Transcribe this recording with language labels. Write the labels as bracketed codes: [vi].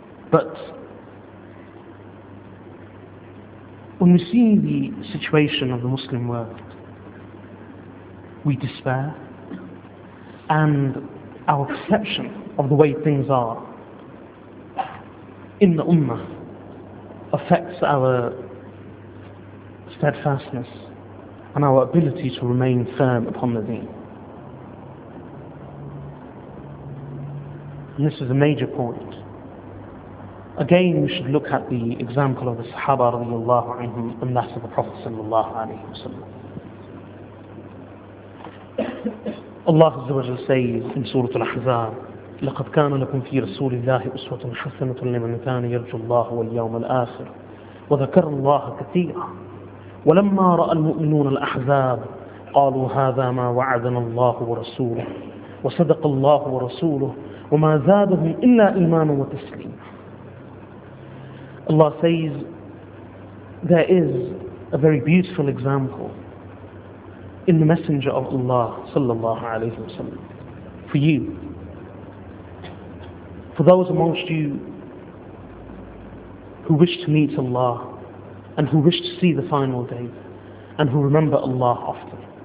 [en] But when we see the situation of the Muslim world, we despair, and our perception of the way things are in the Ummah affects our steadfastness and our ability to remain firm upon the deen. And this is a major point. Again, we should look at the example of the Sahaba radiallahu anhum and that of the Prophet sallallahu alayhi wa sallam. [ar] Allah Azza wa Jal says in Surah Al-Ahzab, لَقَدْ كَانَ لَكُمْ فِي رَسُولِ اللَّهِ أُسْوَةٌ حَسَنَةٌ لِمَنْ كَانَ يَرْجُ اللَّهُ وَالْيَوْمَ الْآخِرِ وَذَكَرَ اللَّهَ كَثِيرًا وَلَمَّا رَأَى الْمُؤْمِنُونَ الْأَحْزَابَ قَالُوا هَذَا مَا وَعَدَنَا اللَّهُ وَرَسُولُهُ وَصَدَقَ اللَّهُ وَرَسُولُهُ وَمَا زَادَهُمْ إِلَّا إِيمَانًا وَتَسْلِيمًا. [en] Allah says, there is a very beautiful example in the Messenger of Allah sallallahu alayhi wa sallam for you, for those amongst you who wish to meet Allah and who wish to see the final day and who remember Allah often.